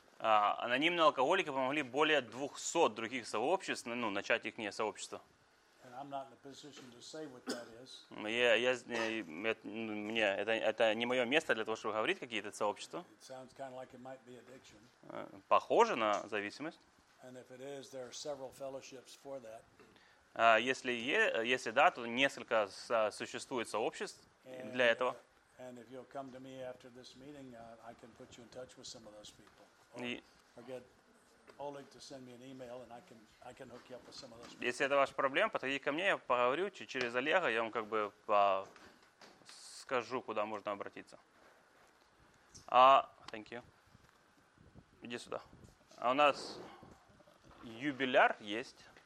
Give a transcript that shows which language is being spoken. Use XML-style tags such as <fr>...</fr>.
<ru>Анонимные алкоголики помогли более 200 других сообществ, ну, начать их сообщество.</ru> <en>And I'm not in a position to say what that is.</en> <ru>Это не мое место для того, чтобы говорить какие-то сообщества.</ru> <en>It sounds kind of like it might be addiction.</en> <ru>Похоже на зависимость.</ru> <en>And if it is, there are several fellowships for that.</en> <ru>Если да, то несколько существует сообществ для этого.</ru> <en>And if you'll come to me after this meeting, I can put you in touch with some of those people. Oleg to send me an email and I can hook you up with some of those.</en> <ru>Если это ваша проблема, подходите ко мне, я поговорю через Олега, я вам как бы скажу, куда можно обратиться.</ru> <en>Thank you.</en> <ru>Иди сюда. А у нас юбиляр есть.</ru>